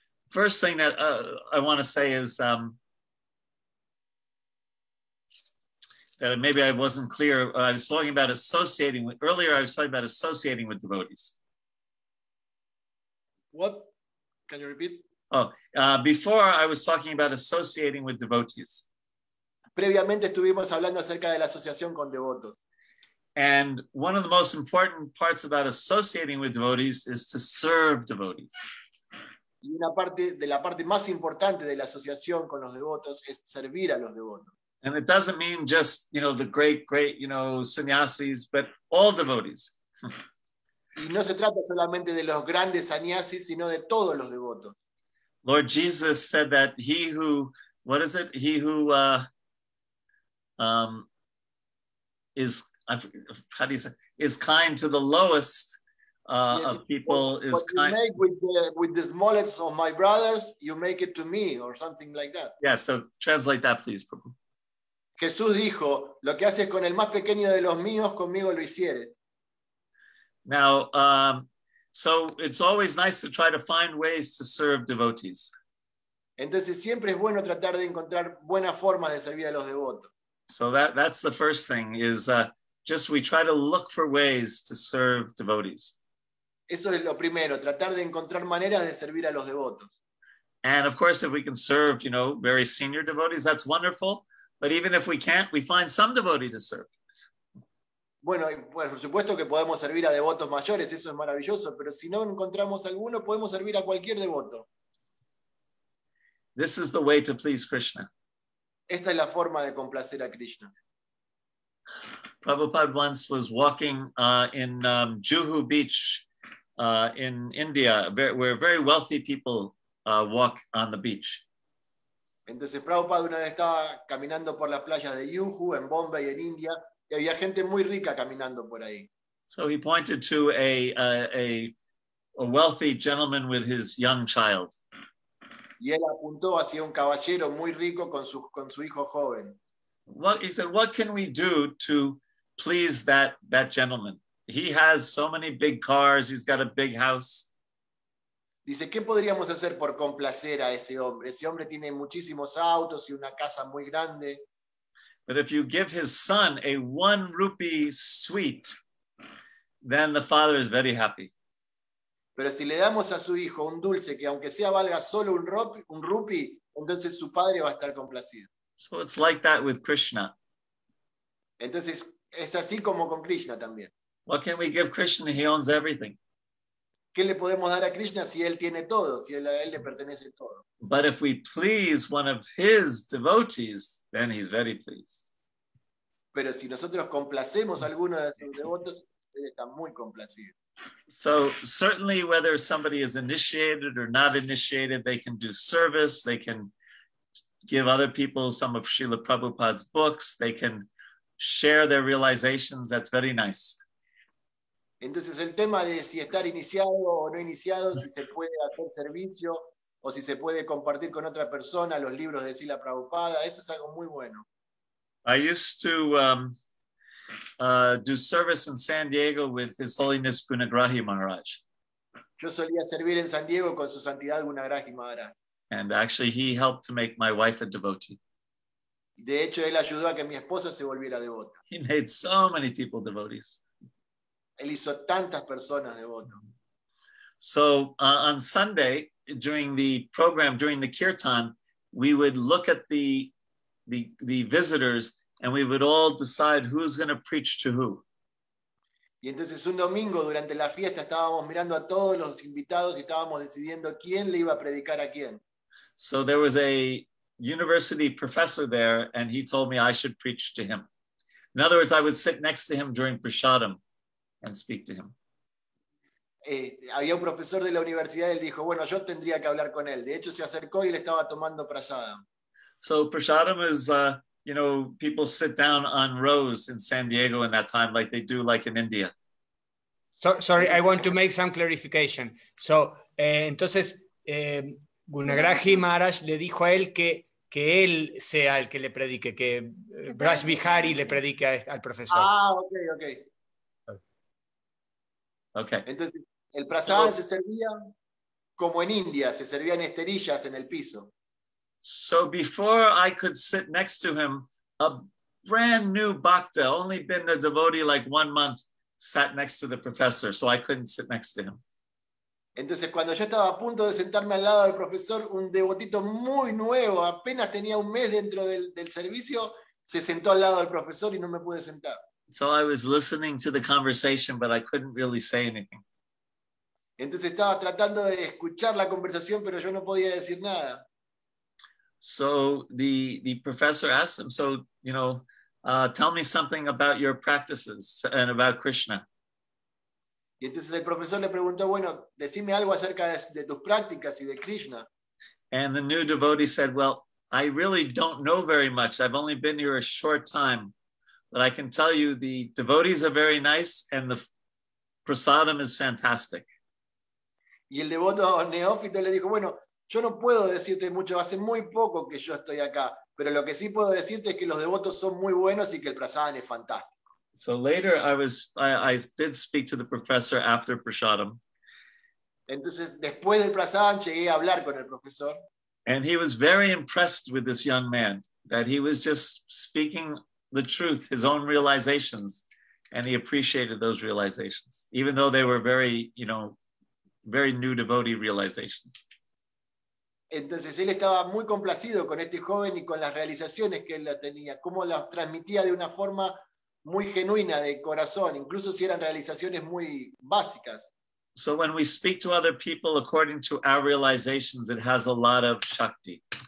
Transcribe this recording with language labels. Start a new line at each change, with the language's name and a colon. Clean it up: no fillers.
English: First thing that I want to say is that maybe I wasn't clear. I was talking about associating with, earlier I was talking about associating with devotees. What? Can you repeat? Oh, before I was talking about associating with devotees.
Spanish: Previamente estuvimos hablando acerca de la asociación con devotos.
English: And one of the most important parts about associating with devotees is to serve devotees.
Spanish: Y una parte de la parte más importante de la asociación con los devotos es servir a los devotos.
English: And it doesn't mean just, you know, the great, great, you know, sannyasis, but all devotees.
Spanish: Y no se trata solamente de los grandes sannyasis, sino de todos los devotos.
English: Lord Jesus said that he who, what is it? He who is, how do you say, is kind to the lowest of people is kind. What you make with the smallest of my brothers, you make it to me, or something like that. Yeah, so translate that, please, Prabhu.
Spanish: Jesús dijo, lo que haces con el más pequeño de los míos, conmigo lo hicieres.
English: Now, so it's always nice to try to find ways to serve devotees.
Spanish: Entonces siempre es bueno tratar de encontrar buenas formas de servir a los devotos.
English: So that's the first thing, is just we try to look for ways to serve devotees.
Spanish: Eso es lo primero, tratar de encontrar maneras de servir a los devotos.
English: And of course, if we can serve, you know, very senior devotees, that's wonderful. But even if we can't, we find some devotee to serve.
Spanish: Bueno, por supuesto que podemos servir a devotos mayores, eso es maravilloso, pero si no encontramos alguno, podemos servir a cualquier devoto.
English: This is the way to please Krishna.
Spanish: Esta es la forma de complacer a Krishna.
English: Prabhupada once was walking in Juhu Beach in India, where very wealthy people walk on the beach.
Spanish: Entonces Prabhupada una vez estaba caminando por las playas de Juhu en Bombay en India y había gente muy rica caminando por ahí.
English: So he pointed to a wealthy gentleman with his young child.
Spanish: Y él apuntó hacia un caballero muy rico con su hijo joven.
English: What, he said, what can we do to please that gentleman? He has so many big cars, he's got a big house.
Spanish: Dice, ¿qué podríamos hacer por complacer a ese hombre? Ese hombre tiene muchísimos autos y una casa muy grande.
English: But if you give his son a 1 rupee suite, then the father is very happy.
Spanish: Pero si le damos a su hijo un dulce que aunque sea valga solo un rupee, entonces su padre va a estar complacido.
English: So it's like that with Krishna.
Spanish: Entonces es así como con Krishna también.
English: What can we give Krishna? He owns everything.
Spanish: ¿Qué le podemos dar a Krishna si él tiene todo, si él, a él le pertenece todo?
English: But if we please one of his devotees, then he's very pleased.
Spanish: Pero si nosotros complacemos a alguno de sus devotos, él está muy complacido.
English: So certainly whether somebody is initiated or not initiated, they can do service, they can give other people some of Srila Prabhupada's books, they can share their realizations, that's very nice.
Spanish: Entonces el tema de si estar iniciado o no iniciado, si se puede hacer servicio o si se puede compartir con otra persona los libros de Srila Prabhupada, eso es algo muy bueno.
English: I used to do service in San Diego with His Holiness Gunagrahi Maharaj.
Spanish: Yo solía servir en San Diego con su santidad Gunagrahi Maharaj.
English: And actually he helped to make my wife a devotee.
Spanish: De hecho él ayudó a que mi esposa se volviera devota.
English: He made so many people devotees.
Spanish: Él hizo tantas personas devotas.
English: So on Sunday during the program, during the kirtan, we would look at the visitors and we would all decide who's going to preach to who.
Spanish: Y entonces un domingo durante la fiesta estábamos mirando a todos los invitados y estábamos decidiendo quién le iba a predicar a quién.
English: So there was a university professor there and he told me I should preach to him. In other words, I would sit next to him during prasadam and speak to him.
Spanish: Había un profesor de la universidad y él dijo, bueno, yo tendría que hablar con él. De hecho, se acercó y le estaba tomando prasadam.
English: So prasadam is, you know, people sit down on rows in San Diego in that time, like they do like in India. So, sorry, I want to make some clarification.
Spanish: So, entonces, Gunagrahi Maharaj le dijo a él que él sea el que le predique, que Braj Bihari le predique al profesor.
English: Ah, okay, okay. Okay.
Spanish: Entonces, el prasada se servía como en India, se servía en esterillas en el piso.
English: So before I could sit next to him, a brand new bhakta, only been a devotee like 1 month, sat next to the professor, so I couldn't sit next to him.
Spanish: Entonces, cuando yo estaba a punto de sentarme al lado del profesor, un devotito muy nuevo, apenas tenía un mes dentro del servicio, se sentó al lado del profesor y no me pude sentar.
English: So I was listening to the conversation, but I couldn't really say anything.
Spanish: Entonces estaba tratando de escuchar la conversación, pero yo no podía decir nada.
English: So the professor asked him, so, you know, tell me something about your practices and about Krishna.
Spanish: Y entonces el profesor le preguntó, bueno, decime algo acerca de tus prácticas y de Krishna.
English: And the new devotee said, well, I really don't know very much. I've only been here a short time. But I can tell you the devotees are very nice and the prasadam is fantastic.
Spanish: Y el devoto neófito le dijo, bueno, yo no puedo decirte mucho, hace muy poco que yo estoy acá, pero lo que sí puedo decirte es que los devotos son muy buenos y que el prasadam es fantástico.
English: So later I did speak to the professor after prasadam.
Spanish: Entonces después del prasadam llegué a hablar con el profesor.
English: And he was very impressed with this young man, that he was just speaking the truth, his own realizations, and he appreciated those realizations, even though they were very, you know, very new devotee realizations.
Spanish: Entonces él estaba muy complacido con este joven y con las realizaciones que él tenía, cómo las transmitía de una forma muy genuina de corazón, incluso si eran realizaciones muy básicas.
English: So when we speak to other people according to our realizations, it has a lot of shakti.